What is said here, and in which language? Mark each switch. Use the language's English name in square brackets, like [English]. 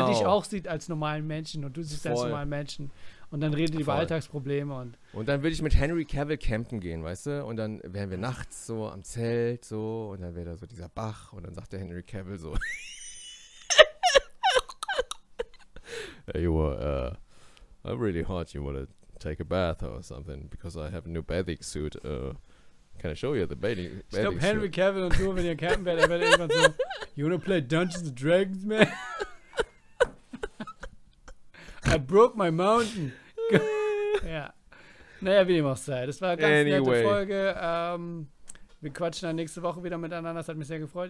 [German] Dass er dich auch sieht als normalen Menschen und du siehst als normalen Menschen. Und dann reden die über Alltagsprobleme. Und dann würde ich mit Henry Cavill campen gehen, weißt du? Und dann wären wir nachts so am Zelt so und dann wäre da so dieser Bach und dann sagt der Henry Cavill so Hey, I'm really hot. [English] You want to take a bath or something? Because I have a new bathing suit. Can I show you the bathing suit? [German] Ich glaube, Henry Cavill und du, wenn ihr campen werdet, dann werdet ihr irgendwann so You want to play Dungeons and Dragons, man? I broke my mountain. Ja. Naja, wie dem auch sei. Das war eine ganz nette Folge. Wir quatschen dann nächste Woche wieder miteinander. Das hat mich sehr gefreut.